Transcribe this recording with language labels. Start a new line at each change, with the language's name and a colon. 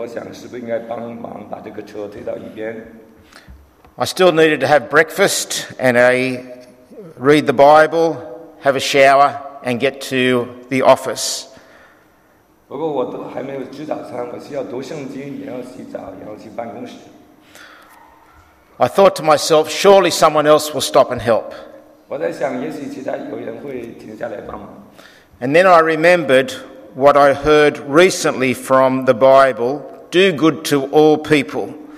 Chinese: 我对车并不是了解，但是我想是不是应该帮忙把这个车推到一边。
English: I still needed to have breakfast and read the Bible, have a shower, and get to the office.
Chinese: 不过我都还没有吃早餐，我需要读圣经，也要洗澡，也要去办公室。
English: I thought to myself, surely someone else will stop and help.
Chinese: 我在想，也许其他有人会停下来帮忙。
English: And then I remembered what I heard recently from the Bible, do good to all people.